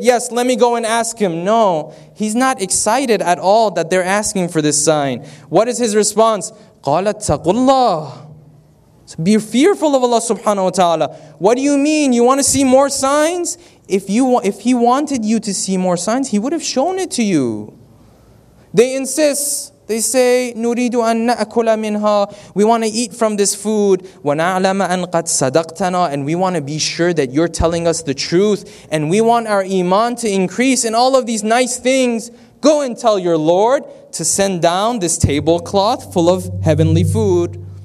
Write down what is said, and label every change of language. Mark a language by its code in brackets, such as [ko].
[en] Yes, let me go and ask him. No, he's not excited at all that they're asking for this sign. What is his response? [ar] قَالَ اتَّقُوا اللَّهِ. [en] So be fearful of Allah subhanahu wa ta'ala. What do you mean? You want to see more signs? If he wanted you to see more signs, he would have shown it to you. They insist. They say, [ar] نُرِيدُ أَن نَأْكُلَ مِنْهَا. [en] We want to eat from this food. [ar] وَنَعْلَمَ أَن قَدْ صَدَقْتَنَا. [en] And we want to be sure that you're telling us the truth. And we want our iman to increase in all of these nice things. Go and tell your Lord to send down this tablecloth full of heavenly food.